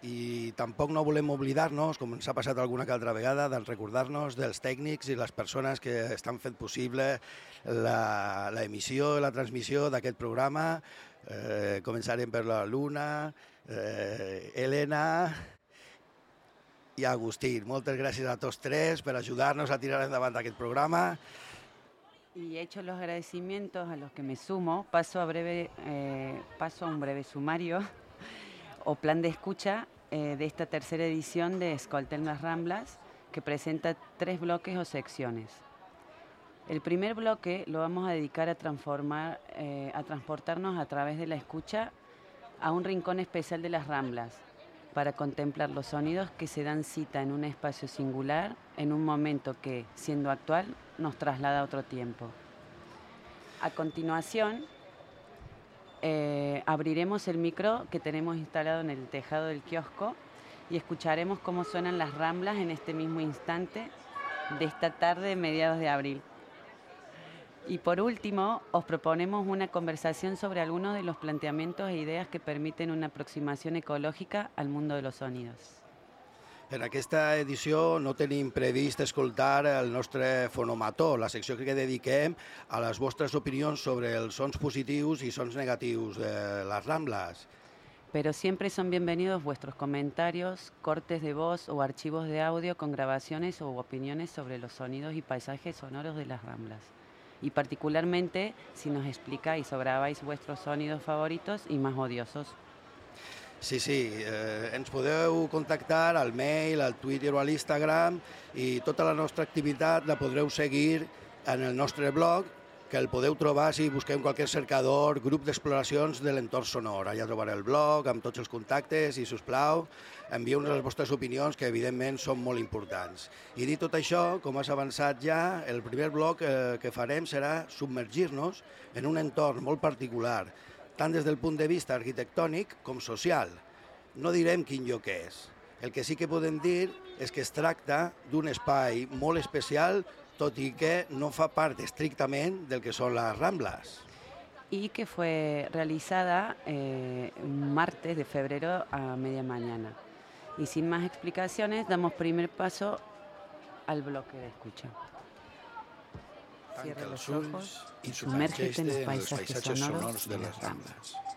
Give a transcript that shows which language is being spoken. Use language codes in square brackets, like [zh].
[ca] I tampoc no volem oblidar-nos, com ens ha passat alguna que altra vegada, de recordar-nos dels tècnics i les persones que estan fent possible la emissió i la transmissió d'aquest programa. Començarem per la Luna, Elena i Agustí. Moltes gràcies a tots tres per ajudar-nos a tirar endavant aquest programa. [es] Y hecho los agradecimientos a los que me sumo, paso a un breve sumario o plan de escucha de esta tercera edición de Escolten las Ramblas, que presenta tres bloques o secciones. El primer bloque lo vamos a dedicar a transportarnos a través de la escucha a un rincón especial de las Ramblas, para contemplar los sonidos que se dan cita en un espacio singular, en un momento que, siendo actual, nos traslada a otro tiempo. A continuación, abriremos el micro que tenemos instalado en el tejado del kiosco y escucharemos cómo suenan las Ramblas en este mismo instante de esta tarde de mediados de abril. Y por último, os proponemos una conversación sobre algunos de los planteamientos e ideas que permiten una aproximación ecológica al mundo de los sonidos. [ca] En aquesta edició no tenim previst escoltar el nostre fonomató, la secció que dediquem a les vostres opinions sobre els sons positius i sons negatius de les Ramblas. [es] Pero siempre son bienvenidos vuestros comentarios, cortes de voz o archivos de audio con grabaciones o opiniones sobre los sonidos y paisajes sonoros de las Ramblas. Y particularmente si nos explicáis o grabáis vuestros sonidos favoritos y más odiosos. [ca] Sí, sí, ens podeu contactar al mail, al Twitter o a l'Instagram i tota la nostra activitat la podreu seguir en el nostre blog, que el podeu trobar si busqueu qualsevol cercador, grup d'exploracions de l'entorn sonor. Allà trobareu el blog amb tots els contactes i, sisplau, envieu-nos les vostres opinions, que evidentment són molt importants. I dit tot això, com has avançat ja, el primer bloc que farem serà submergir-nos en un entorn molt particular, tant des del punt de vista arquitectònic com social. No direm quin lloc és. El que sí que podem dir és que es tracta d'un espai molt especial, tot i que no fa part estrictament del que són les Ramblas. [es] I que fue realizada un martes de febrero a media mañana. Y sin más explicaciones, damos primer paso al bloque de escucha. Cierra los ojos y sumérgete en los paisajes sonoros de las Ramblas.